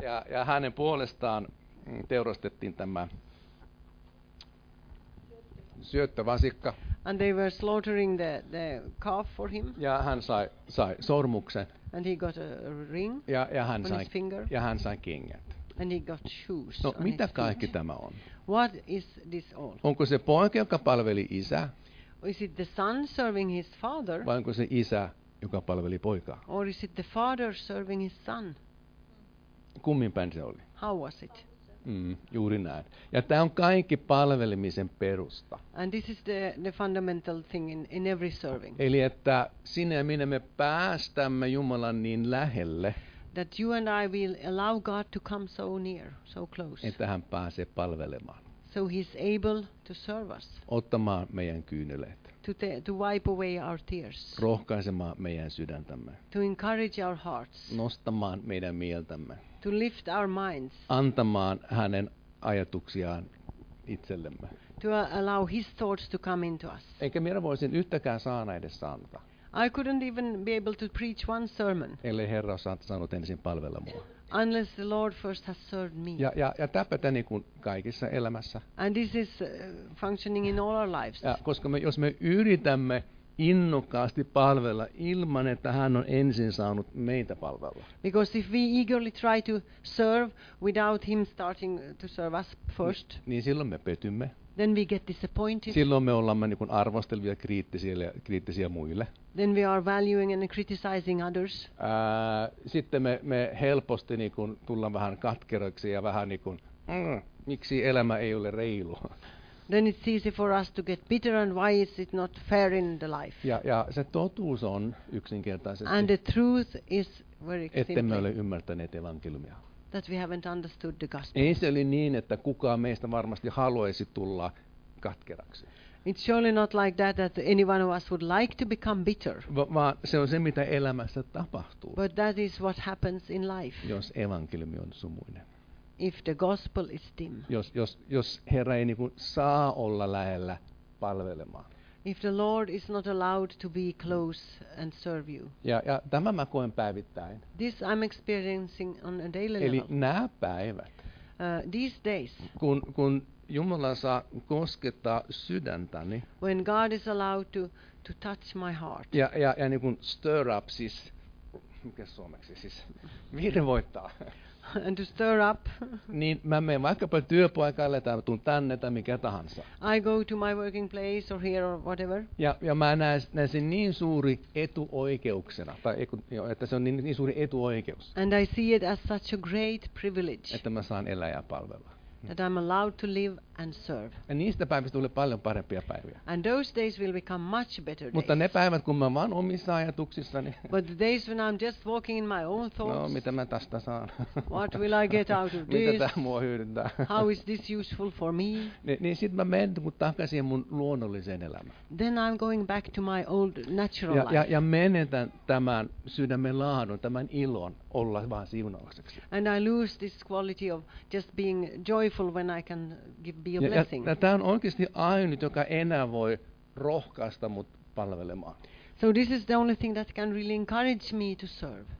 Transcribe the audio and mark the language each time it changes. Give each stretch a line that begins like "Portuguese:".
Finnish: Ja hänen puolestaan teurastettiin tämä syöttövasikka.
English: And they were slaughtering the calf for him.
Finnish: Ja hän sai sormuksen.
English: And he got a ring.
Finnish: Ja hän on sai
English: his finger.
Finnish: Ja hän sai kengät.
English: And he got shoes.
Finnish: No mitä kaikki tämä on?
English: What is this all?
Finnish: Onko se poika, joka palveli isää?
English: Is it the son serving his father?
Finnish: Vai onko se isä, joka palveli poikaa?
English: Or is it the father serving his son?
Finnish: Kummin päin se oli?
English: How was it?
Finnish: Juuri näin. Ja tämä on kaikki palvelemisen perusta.
English: And this is the fundamental thing in every serving.
Finnish: Eli että sinä ja minä me päästämme Jumalan niin lähelle.
English: That you and I will allow God to come so near, so close.
Finnish: Että hän pääsee palvelemaan.
English: So he's able to serve us.
Finnish: Ottamaan meidän kyyneleet.
English: To wipe away our tears.
Finnish: Rohkaisemaan meidän sydäntämme.
English: To encourage our hearts.
Finnish: Nostamaan meidän mieltämme.
English: To lift our minds.
Finnish: Antamaan hänen ajatuksiaan itsellemme.
English: To allow his thoughts to come into us.
Finnish: Enkä minä voisin yhtäkään saana edes antaa.
English: I couldn't even be able to preach one sermon.
Finnish: Eli Herra saanut ensin palvella mua.
English: Unless the Lord first has served me.
Finnish: Ja täpätä niin kuin kaikissa elämässä.
English: And this is functioning in all our lives.
Finnish: Ja koska jos me yritämme innokkaasti palvella ilman, että hän on ensin saanut meitä palvella.
English: Because if we eagerly try to serve without him starting to serve us first.
Finnish: Niin silloin me petymme.
English: Then we get disappointed.
Finnish: Silloin me ollaan niin kuin arvostelevia kriittisiä muille.
English: Then we are valuing and criticizing others.
Finnish: Sitten me helposti niin kuin tullaan vähän katkeroiksi ja vähän niin kuin, miksi elämä ei ole reilu.
English: Then it's easy for us to get bitter and why is it not fair in the life?
Finnish: Ja se totuus on yksinkertaisesti.
English: And the truth is very simple.
Finnish: Ettemme ole ymmärtäneet evankeliumia.
English: That we haven't understood the gospel.
Finnish: Ei se oli niin, että kukaan meistä varmasti haluaisi tulla katkeraksi.
English: It's surely not like that that anyone of us would like to become bitter.
Finnish: Vaan se on se, mitä elämässä tapahtuu.
English: But that is what happens in life.
Finnish: Jos evankeliumi on sumuinen.
English: If the gospel is dim.
Finnish: Jos Herra ei niinku saa olla lähellä palvelemaan.
English: If the Lord is not allowed to be close and serve you.
Finnish: Ja tämä mä koen päivittäin.
English: This I'm experiencing on a daily level.
Finnish: Eli nämä päivät.
English: These days.
Finnish: Kun Jumala saa koskettaa sydäntäni.
English: When God is allowed to touch my heart.
Finnish: Ja niin kuin
English: stir up,
Finnish: siis mikä suomeksi, siis virvoittaa.
English: And to stir up.
Finnish: Niin mä menen vaikkapa työpaikalle tai tuun tänne tai mikä tahansa.
English: I go to my working place or here or whatever.
Finnish: Ja mä näen sen niin suuri etuoikeuksena, tai että se on niin suuri etuoikeus.
English: And I see it as such a great privilege.
Finnish: Että mä saan elää ja palvella.
English: That I'm allowed to live and serve.
Finnish: Ja niistä päivistä tulee paljon parempia päiviä.
English: And those days will become much better days.
Finnish: Mutta ne päivät, kun mä vaan omissa ajatuksissani.
English: But the days when I'm just walking in my own thoughts.
Finnish: No, mitä mä tästä saan?
English: What will I get out of this?
Finnish: Mitä tämä mua hyödyntää?
English: How is this useful for me?
Finnish: Niin sit mä menen takaisin mun luonnolliseen elämään.
English: Then I'm going back to my old natural
Finnish: ja,
English: life.
Finnish: Ja menetän tämän sydämen laadun, tämän ilon olla vaan siunaukseksi.
English: And I lose this quality of just being joyful when I can give be a blessing.
Finnish: Ja tämä on oikeasti ainut, joka enää voi rohkaista mut palvelemaan.
English: So this is the only thing that can really encourage me to serve.